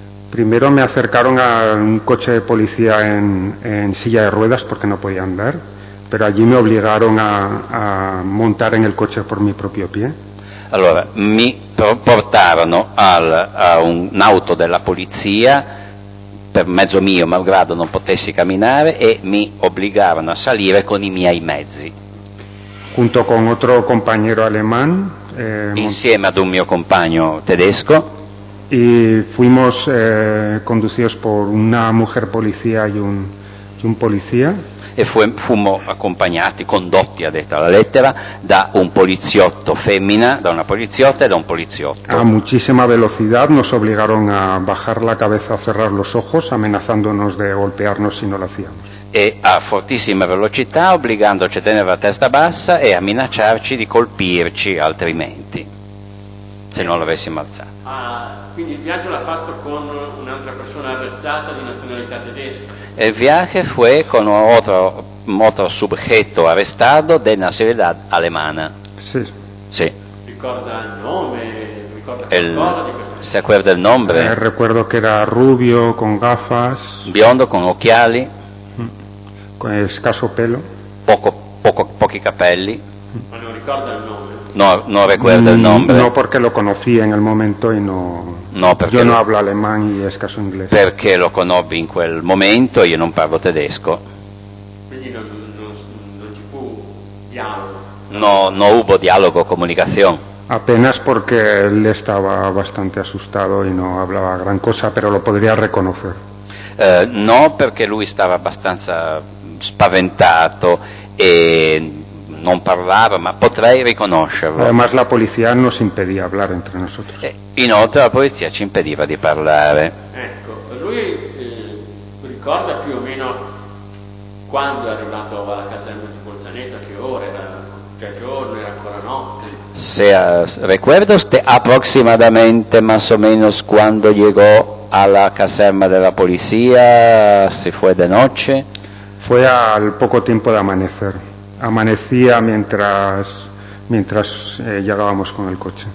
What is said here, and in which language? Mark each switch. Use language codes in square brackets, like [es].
[es] Primero me acercaron a un coche de policía en silla de ruedas porque no podía andar, pero allí me obligaron a montar en el coche por mi propio pie. [it] Allora, mi portarono a un auto della polizia per mezzo mio, malgrado non potessi camminare, e mi obbligarono a salire con i miei mezzi. [es] Junto con otro compañero alemán. [it] Insieme ad un mio compagno tedesco. [es] Y fuimos conducidos por una mujer policía y un policía. [it] E fummo accompagnati, condotti, ha detto la lettera, da un poliziotto femmina, da una poliziotta e da un poliziotto. [es] A muchísima velocidad nos obligaron a bajar la cabeza, a cerrar los ojos, amenazándonos de golpearnos si no lo hacíamos. [it] E a fortissima velocità obbligandoci a tenere la testa bassa e a minacciarci di colpirci altrimenti. se non l'avessimo alzato. Ah, quindi il viaggio l'ha fatto con un'altra persona arrestata di nazionalità tedesca? Il viaggio fu con un altro soggetto arrestato di nazionalità alemana. Sì. Sì. Ricorda il nome? Ricorda il, qualcosa di questo? [es] Se acuerda [it] il nome? Ricordo che era [es] rubio, con gafas. [it] Biondo, con occhiali. [es] Con scarso pelo. [it] Pochi capelli. Ma non ricorda il nome? [es] No, no recuerdo el nombre. No, porque lo conocí en el momento y no... [it] No, perché... [es] Yo no hablo alemán y escaso inglés. [it] Perché lo conobbi in quel momento e io non parlo tedesco. Quindi non ci fu dialogo. [es] No, no hubo dialogo, comunicación. Apenas porque él estaba bastante asustado y no hablaba gran cosa, pero lo podría reconocer. [it] No, perché lui stava abbastanza spaventato e... Non parlava, ma potrei riconoscerlo. [es] Además, la polizia nos impedía hablar entre nosotros. [it] Inoltre, la polizia ci impediva di parlare. Ecco, lui ricorda più o meno quando è arrivato alla caserma di Bolzaneto, che ora era già giorno, era ancora notte. Se ricordo, approssimativamente, [es] más o menos, [it] quando [es] llegó [it] alla caserma della polizia, [es] si fue de noche? Fue al poco tiempo de amanecer. Amanecía mientras llegábamos con el coche.